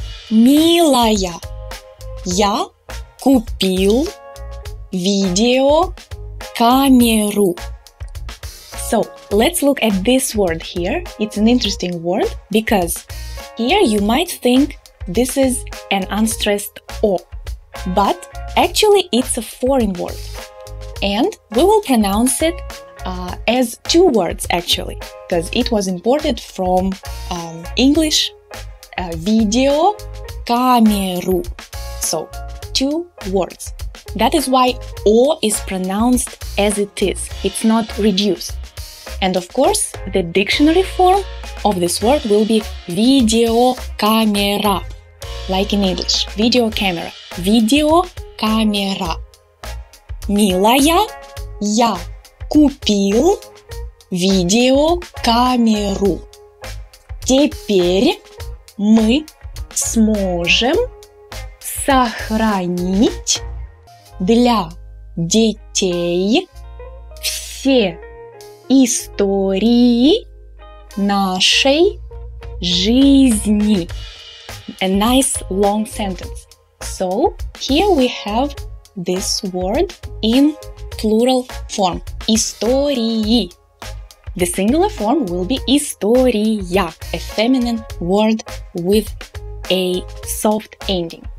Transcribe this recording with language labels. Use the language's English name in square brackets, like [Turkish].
[Russian] Милая, я купил видео камеру. [English] So, let's look at this word here. It's an interesting word because here you might think this is an unstressed O, but actually it's a foreign word. And we will pronounce it as two words, actually, because it was imported from English, video, камеру. So, two words. That is why О is pronounced as it is. It's not reduced. And of course, the dictionary form of this word will be video camera, like in English, video camera, video camera. [Russian] Милая, я купил видеокамеру. Теперь мы сможем сохранить для детей все истории нашей жизни. [English] A nice long sentence. So, here we have this word in plural form. [Russian] Истории. [English] The singular form will be история, a feminine word with a soft ending.